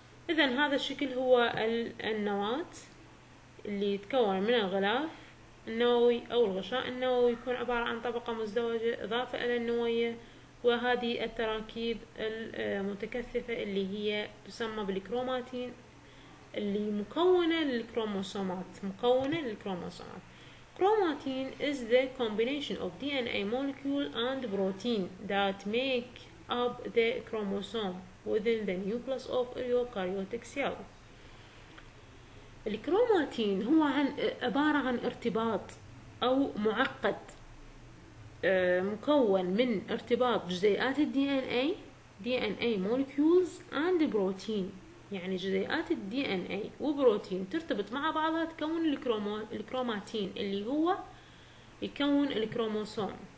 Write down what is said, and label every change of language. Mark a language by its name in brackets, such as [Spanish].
[Arabic] إذن هذا الشكل هو النواة اللي يتكون من الغلاف النووي أو الغشاء النووي، يكون عبارة عن طبقة مزدوجة إضافة إلى النوية، وهذه التراكيب المتكثفة اللي هي تسمى بالكروماتين اللي مكونة للكروموسومات، مكونة للكروموسومات. [English] Chromatin is the combination of DNA molecule and protein that make up the chromosome within the nucleus of a eukaryotic cell. [Arabic] الكروماتين هو عبارة عن ارتباط أو معقد مكون من ارتباط جزيئات الـ [English] DNA molecules and protein، [Arabic] يعني جزيئات الـ DNA وبروتين ترتبط مع بعضها تكون الكروماتين اللي هو يكون الكروموسوم.